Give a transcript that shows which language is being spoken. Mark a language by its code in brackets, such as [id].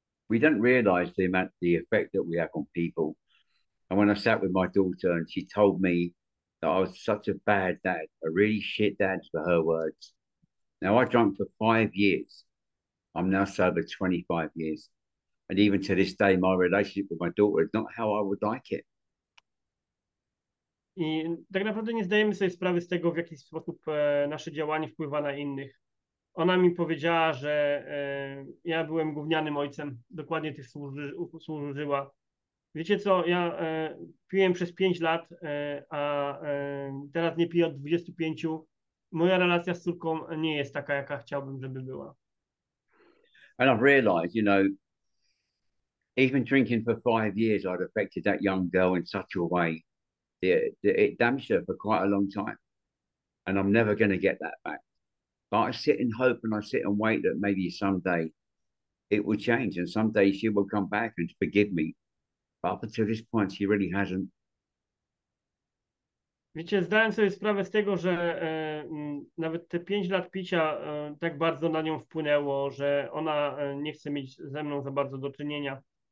[en] We don't realize the amount, the effect that we have on people. And when I sat with my daughter and she told me that I was such a bad dad, a really shit dad, for her words. Now, I drank for 5 years. I'm now sober 25 years. And even to this day, my relationship with my daughter is not how I would like it. [pl] I tak naprawdę nie zdajemy sobie sprawy z tego, w jaki sposób nasze działanie wpływa na innych. Ona mi powiedziała, że ja byłem gównianym ojcem, dokładnie tych słów użyła. Wiecie co, ja piłem przez 5 lat, a teraz nie piję od 25. Moja relacja z córką nie jest taka, jaka chciałbym, żeby była. [en] And I've realized, even drinking for 5 years, I'd affected that young girl in such a way that it damaged her for quite a long time. And I'm never going to get that back. But I sit and hope and I sit and wait that maybe someday it will change and someday she will come back and forgive me. But up until this point, she really hasn't. [pl] Wiecie, zdałem sobie sprawę z tego, że nawet te 5 lat picia tak bardzo na nią wpłynęło, że ona nie chce mieć ze mną za bardzo do czynienia.